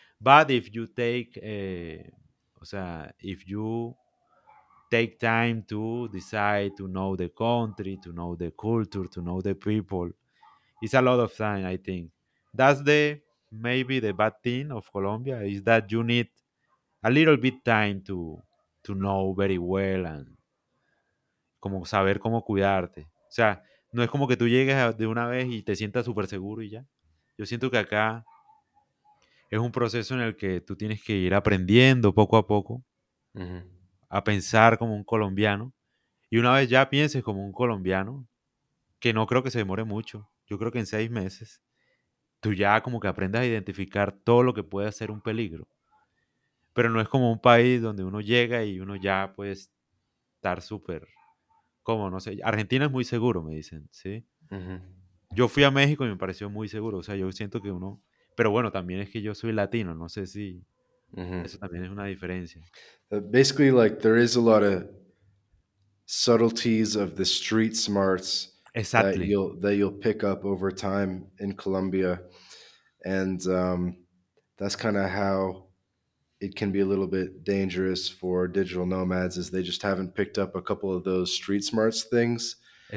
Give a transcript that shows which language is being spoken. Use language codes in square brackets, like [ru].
[en] But if you take time to decide to know the country, to know the culture, to know the people, it's a lot of time, I think. That's maybe the bad thing of Colombia, is that you need a little bit time to know very well and [es] como saber cómo cuidarte. O sea, no es como que tú llegues de una vez y te sientas súper seguro y ya. Yo siento que acá es un proceso en el que tú tienes que ir aprendiendo poco a poco a pensar como un colombiano. Y una vez ya pienses como un colombiano, que no creo que se demore mucho, yo creo que en 6 meses tú ya como que aprendes a identificar todo lo que puede ser un peligro. Pero no es como un país donde uno llega y uno ya puede estar súper, como no sé, Argentina es muy seguro, me dicen, ¿sí? Yo fui a México y me pareció muy seguro, o sea, yo siento que uno, pero bueno, también es que yo soy latino, no sé si eso también es una diferencia. [en] Basically, like there is a lot of subtleties of the street smarts Exactly. that you'll pick up over time in Colombia, and that's kind of how it can be a little bit dangerous for digital nomads, is they just haven't picked up a couple of those street smarts things quite